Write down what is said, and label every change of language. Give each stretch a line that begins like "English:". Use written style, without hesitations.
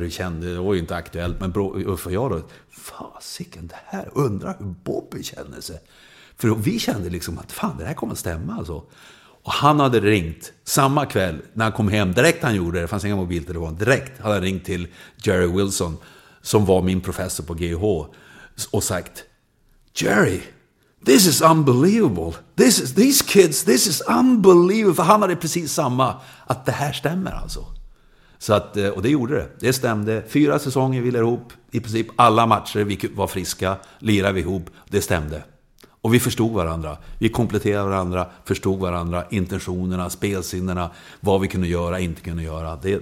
Swedish: Hur kände, det var ju inte aktuellt, men för jag då, fasiken, det här, undrar hur Bobby kände sig. För vi kände liksom att fan, det här kommer att stämma alltså. Och han hade ringt samma kväll när han kom hem, direkt han gjorde det, det fanns inga mobiltelefon, direkt hade han ringt till Jerry Wilson som var min professor på GH och sagt: Jerry, this is unbelievable.
English: This is, these kids, this is unbelievable.
Swedish: För han hade precis samma, att det här stämmer alltså. Så att, och det gjorde det. Det stämde. 4 säsonger vi lirade ihop. I princip alla matcher vi var friska, lirade vi ihop. Det stämde. Och vi förstod varandra. Vi kompletterade varandra, förstod varandra. Intentionerna, spelsinnerna, vad vi kunde göra, inte kunde göra.